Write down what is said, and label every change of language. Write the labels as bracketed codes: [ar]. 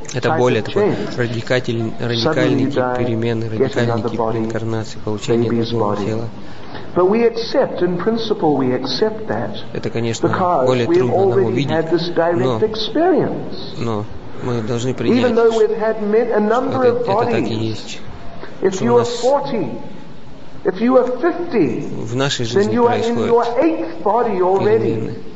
[ru] Это более такой радикальный тип перемены, радикальный тип реинкарнации, получения другого тела. [en] But we accept, in principle, we accept that. [ru] Это, конечно, более трудно нам увидеть, но мы должны принять, что это так и есть. [en] If you are 50, [ru] в нашей жизни происходит перемены.